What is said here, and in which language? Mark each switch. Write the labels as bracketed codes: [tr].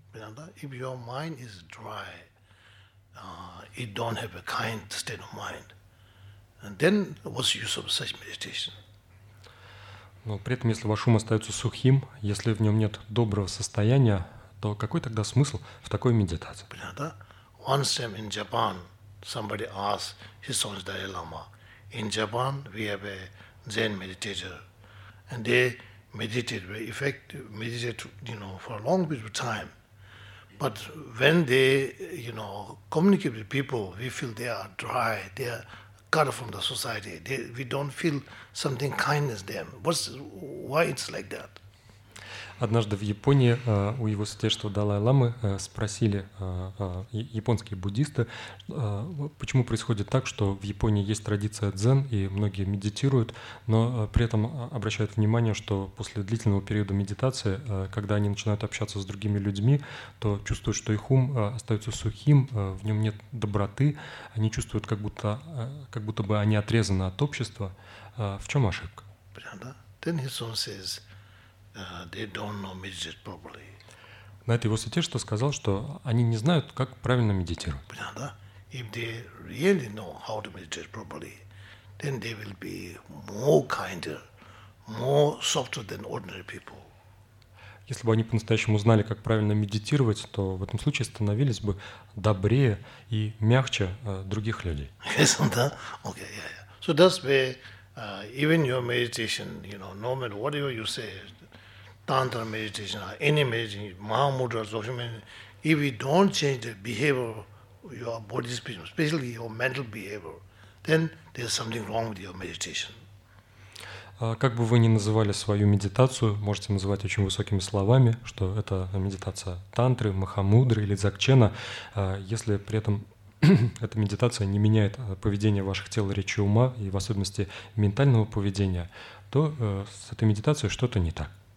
[en] If your mind is dry, it don't have a kind state of mind. And then what's the use of such meditation? [ru] Но при этом, если ваш ум остается сухим, если в нем нет доброго состояния, то какой тогда смысл в такой медитации? [en] Once time in Japan, somebody asked his son Dalai Lama, in Japan we have a Zen meditator, and they meditate very effective, meditate, you know, for a long period of time. But when they, you know, communicate with people, we feel they are dry, they are cut from the society. We don't feel something kindness them. Why it's like that? [ru] Однажды в Японии у его святейшества Далай-ламы спросили японские буддисты, почему происходит так, что в Японии есть традиция дзен, и многие медитируют, но при этом обращают внимание, что после длительного периода медитации, когда они начинают общаться с другими людьми, то чувствуют, что их ум остается сухим, в нем нет доброты, они чувствуют, как будто бы они отрезаны от общества. В чем ошибка? [en] Then his son says, they don't know meditate properly. [ru] На это его святейшество сказал, что они не знают, как правильно медитировать. Да? [en] If they really know how to meditate properly, then they will be more kinder, more softer than ordinary people. [ru] Если бы они по-настоящему знали, как правильно медитировать, то в этом случае становились бы добрее и мягче других людей. [en] Yes, [ru] да? [en] Okay, yeah, yeah. So that's why even your meditation, you know, no matter whatever you say, Tantra meditation, or any meditation, Mahamudras, if we don't change the behavior of your body, especially your mental behavior, then there's something wrong with your meditation. [ru] Как бы вы ни называли свою медитацию, можете называть очень высокими словами, что это медитация тантры, махамудры или дзакчена, если при этом эта медитация не меняет поведение ваших тел, речи, ума и в особенности ментального поведения, то с этой медитацией что-то не так.